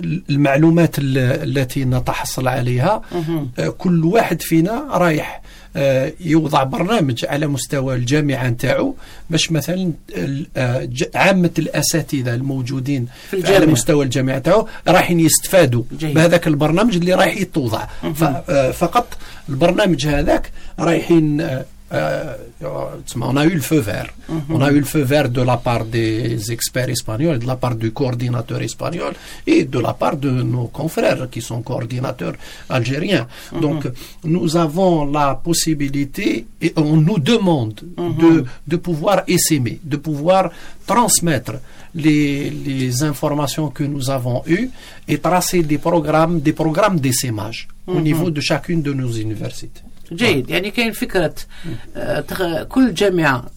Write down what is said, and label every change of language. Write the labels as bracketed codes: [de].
[ar] المعلومات التي نتحصل عليها كل واحد فينا رايح يوضع برنامج على مستوى الجامعة نتاعو, باش مثلا عامة الأساتذة الموجودين على مستوى الجامعة نتاعو رايحين يستفادوا بهذاك البرنامج اللي رايح يتوضع. فقط البرنامج هذاك رايحين [fr] on a eu le feu vert de la part des experts espagnols, de la part du coordinateur espagnol et de la part de nos confrères qui sont coordinateurs algériens. Donc nous avons la possibilité et on nous demande de pouvoir essaimer, de pouvoir transmettre les informations que nous avons eues et tracer des programmes d'essaimage au niveau de chacune de nos universités. [ar] جيد, يعني كاين فكرة كل جامعة